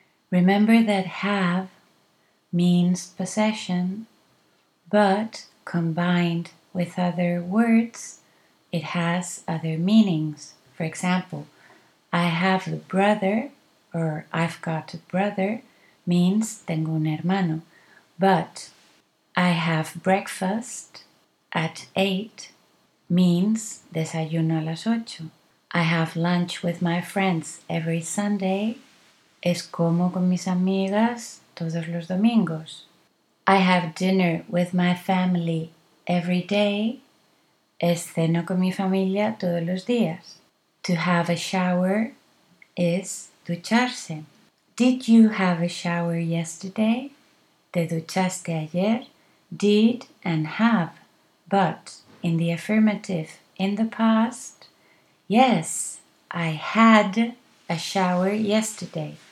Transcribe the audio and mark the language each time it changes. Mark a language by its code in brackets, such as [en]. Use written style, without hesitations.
[en] Remember that have means possession, but combined with other words, it has other meanings. For example, I have a brother, or I've got a brother, means [es] tengo un hermano. [en] But I have breakfast at 8 means [es] desayuno a las ocho. [en] I have lunch with my friends every Sunday. [es] Es como con mis amigas todos los domingos. [en] I have dinner with my family every day. [es] Es ceno con mi familia todos los días. [en] To have a shower is ducharse. Did you have a shower yesterday? [es] Te duchaste ayer. [en] Did and have. But in the affirmative, in the past, yes, I had a shower yesterday.